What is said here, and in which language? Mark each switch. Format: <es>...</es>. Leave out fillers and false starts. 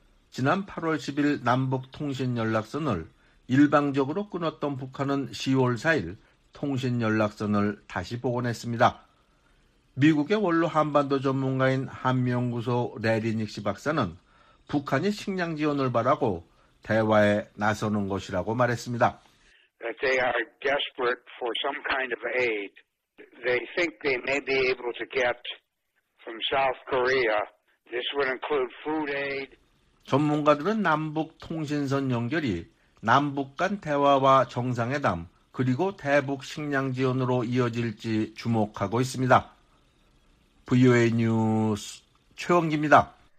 <ko>지난 8월 10일 남북통신연락선을 일방적으로 끊었던 북한은 10월 4일 통신연락선을 다시 복원했습니다. 미국의 원로 한반도 전문가인 한미연구소 레리닉시 박사는 북한이 식량 지원을 바라고 대화에 나서는 것이라고 말했습니다.</ko> <en>That they are desperate for some kind of aid. They think they may be able to get from South Korea. This would include food aid.</en> <ko>전문가들은 남북 통신선 연결이 남북 간 대화와 정상회담 그리고 대북 식량 지원으로 이어질지 주목하고 있습니다. VOA 뉴스 최원기입니다.</ko>